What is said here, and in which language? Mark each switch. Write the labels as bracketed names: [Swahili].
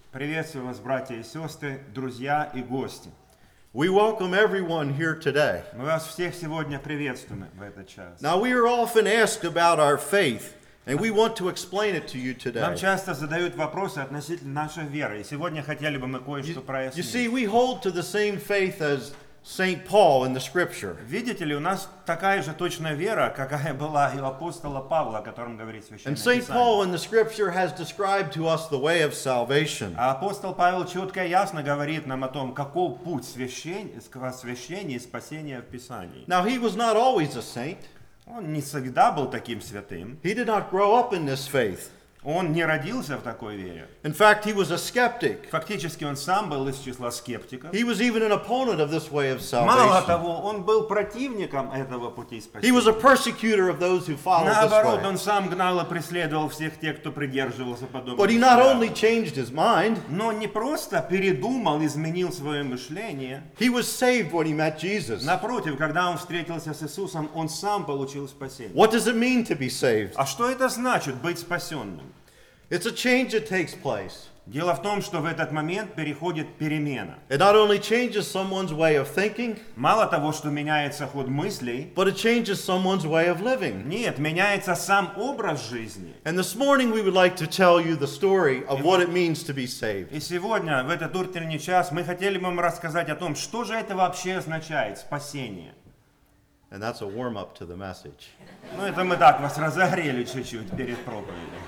[Russian] Приветствую вас, братья и сестры, друзья и гости. [English] We welcome everyone here today. [Russian] Мы вас всех сегодня приветствуем в этот час. [English] Now we are often asked about our faith, and we want to explain it to you today. [Russian] Нам часто задают вопросы относительно нашей веры, и сегодня хотели бы мы кое-что прояснить. [English] You see, we hold to the same faith as Saint Paul in the Scripture. [Russian] Видите ли, у нас такая же точная вера, какая была и у апостола Павла, о котором говорит Священное Писание. [English] And Saint Paul in the Scripture has described to us the way of salvation. [Russian] А апостол Павел четко и ясно говорит нам о том, каков путь освящения и спасения в Писании. [English] Now he was not always a saint. [Russian] Он не всегда был таким святым. [English] He did not grow up in this faith. [Russian] Он не родился в такой вере. [English] In fact, he was a skeptic. [Russian] Фактически, он сам был из числа скептиков. [English] He was even an opponent of this way of salvation. [Russian] Мало того, он был противником этого пути спасения. [English] He was a persecutor of those who followed this way. [Russian] Наоборот, он сам гнал и преследовал всех тех, кто придерживался подобного. [English] But he not only changed his mind. [Russian] Но не просто передумал, изменил свое мышление. [English] He was saved when he met Jesus. [Russian] Напротив, когда он встретился с Иисусом, он сам получил спасение. [English] What does it mean to be saved? [Russian] А что это значит быть спасенным? [English] It's a change that takes place. [Russian] Дело в том, что в этот момент переходит перемена. [English] It not only changes someone's way of thinking. [Russian] Мало того, что меняется ход мыслей. [English] But it changes someone's way of living. [Russian] Нет, меняется сам образ жизни. [English] And this morning we would like to tell you the story of what it means to be saved. [Russian] И сегодня, в этот утренний час, мы хотели бы вам рассказать о том, что же это вообще означает, спасение. [English] And that's a warm-up to the message. [Russian] Ну, это мы так вас разогрели чуть-чуть перед проповедью.